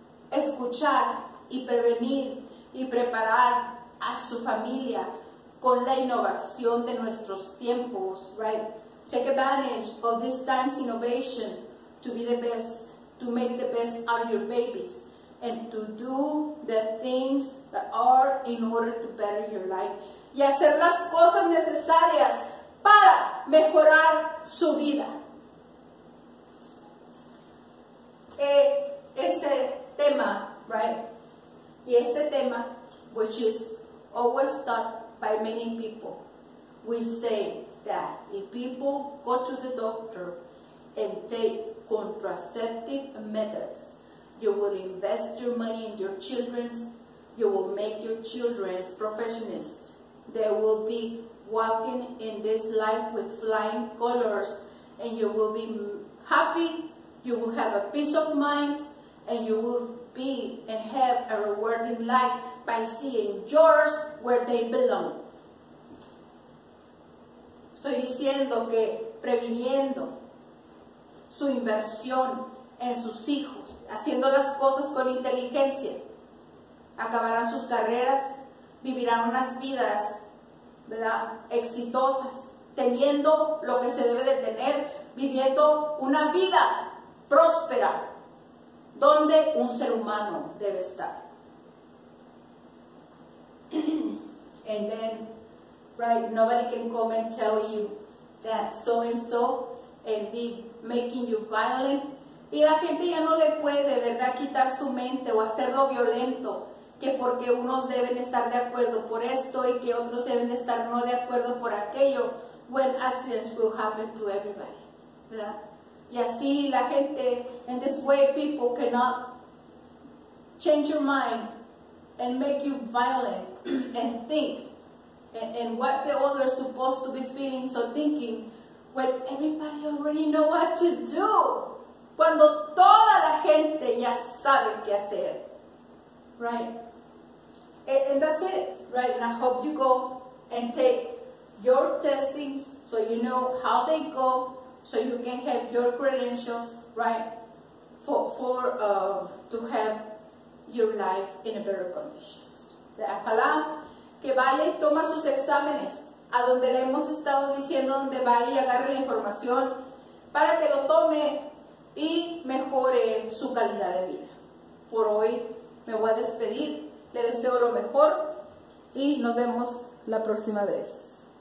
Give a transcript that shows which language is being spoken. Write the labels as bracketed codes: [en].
[es] Escuchar y prevenir y preparar a su familia con la innovación de nuestros tiempos, right? [en] Take advantage of this time's innovation to be the best, to make the best out of your babies and to do the things that are in order to better your life. [es] Y hacer las cosas necesarias para mejorar su vida. Este tema, right? Y este tema, [en] which is always thought by many people, we say that if people go to the doctor and take contraceptive methods, you will invest your money in your children, you will make your children professionals. They will be walking in this life with flying colors, and you will be happy, you will have a peace of mind, and you will be and have a rewarding life by seeing yours where they belong. [es] Estoy diciendo que previniendo su inversión en sus hijos, haciendo las cosas con inteligencia, acabarán sus carreras, vivirán unas vidas, ¿verdad?, exitosas, teniendo lo que se debe de tener, viviendo una vida próspera, donde un ser humano debe estar. [en] And then, right, nobody can come and tell you that so and so and be making you violent. [es] Y la gente ya no le puede, ¿verdad?, quitar su mente o hacerlo violento, que porque unos deben estar de acuerdo por esto y que otros deben estar no de acuerdo por aquello, [en] when accidents will happen to everybody, ¿verdad? [es] Y así la gente, [en] in this way people cannot change your mind and make you violent and think and what the other is supposed to be feeling so thinking when everybody already know what to do. [es] Cuando toda la gente ya sabe qué hacer. [en] Right? And that's it, right? And I hope you go and take your testings so you know how they go, so you can have your credentials, right, to have your life in a better conditions. [es] De apalá, que vaya y toma sus exámenes, a donde le hemos estado diciendo, donde vaya y agarre la información, para que lo tome y mejore su calidad de vida. Por hoy me voy a despedir. Le deseo lo mejor y nos vemos la próxima vez.